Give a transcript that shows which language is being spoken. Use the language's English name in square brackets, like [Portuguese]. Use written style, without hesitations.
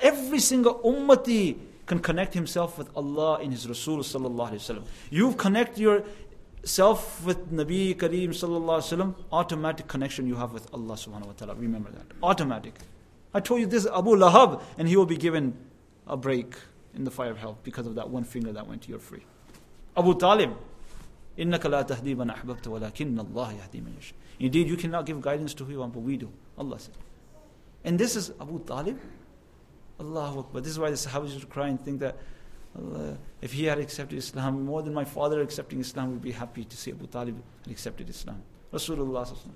[English] Every single ummati can connect himself with Allah in his Rasul Sallallahu Alaihi Wasallam. You connect yourself with Nabi Kareem Sallallahu Alaihi Wasallam, automatic connection you have with Allah Subhanahu Wa Ta'ala. Remember that. Automatic. I told you this, Abu Lahab, and he will be given a break in the fire of hell because of that one finger that went to your free. [Arabic] Abu Talib, إِنَّكَ لَا تَهْدِي مَنْ أَحْبَبْتَ وَلَكِنَّ اللَّهَ يَهْدِي مَنْ يَشَاءُ. [English] Indeed, you cannot give guidance to who you want, but we do. Allah said. And this is Abu Talib. Allahu Akbar. This is why the Sahabis would cry and think that Allah, if he had accepted Islam, more than my father accepting Islam, we'd be happy to see Abu Talib had accepted Islam. Rasulullah.